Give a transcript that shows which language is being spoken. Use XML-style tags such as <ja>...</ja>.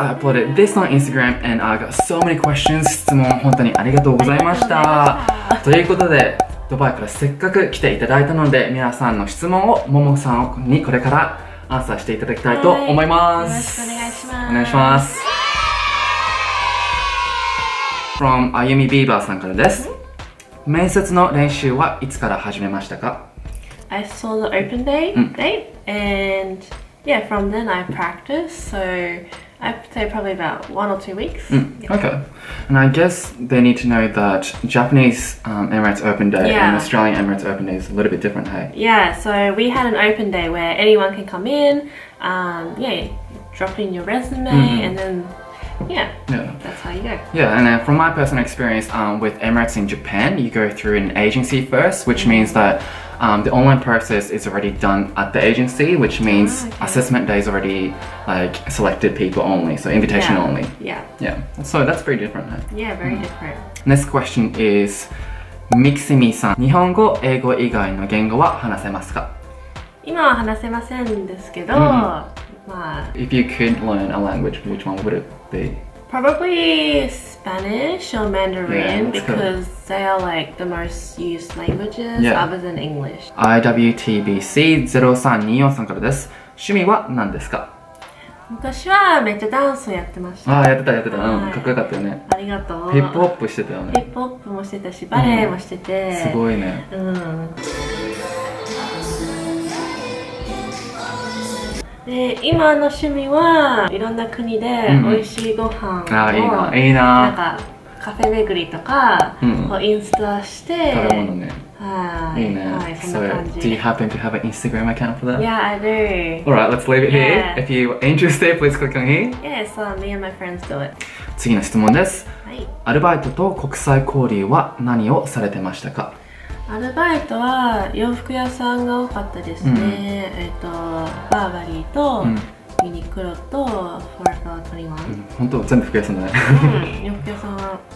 <en>I uploaded this on Instagram and I got so many questions.</en> <ja>質問本当にありがとうございました。ということで、ドバイからせっかく来ていただいたので、皆さんの質問をももさんにこれからアンサーしていただきたいと思います。よろしくお願いします。お願いします。From Ayumi Bieber さんからです。面接の練習はいつから始めましたか?</ja> <en>I saw the open day date and yeah, from then I practiced. So I'd say probably about 1 or 2 weeks. Okay. And I guess they need to know that Japanese Emirates open day and Australian Emirates open day is a little bit different, hey? Yeah, so we had an open day where anyone can come in, drop in your resume and then... Yeah, that's how you go. Yeah, and from my personal experience with Emirates in Japan, you go through an agency first, which means that the online process is already done at the agency, which means assessment day is already like selected people only, so invitation only. Yeah. Yeah. So that's very different, right? Yeah, very different. Next question is,</en> <ja>Miximi さん、日本語、英語以外の言語は話せますか? 今は話せませんですけど、</ja> <en>If you could learn a language, which one would it be? Probably Spanish or Mandarin because they are like the most used languages other than English.</en> <ja>IWTBC0324 からです。趣味は何ですか? 昔はめっちゃダンスをやってました。ああ、やってた。はい、かっこよかったよね。ありがとう。ヒップホップしてたよね。ヒップホップもしてたし、バレエもしてて。すごいね。で今の趣味はいろんな国で美味しいご飯を、いいな。なんかカフェ巡りとか、こうインスタして。食べ物ね。はい。いいね。はい、そんな感じ。</ja> <en>So, do you happen to have an Instagram account for that? Yeah, I do. Alright, let's leave it here. If you are interested, please click on here. Yeah, so me and my friends do it.</en> <ja>次の質問です。はい。アルバイトと国際交流は何をされてましたか? アルバイトは洋服屋さんが多かったですね。バーバリーとユニクロとフォーエバー21。本当全部服屋さんだね。洋服屋さんは。</ja>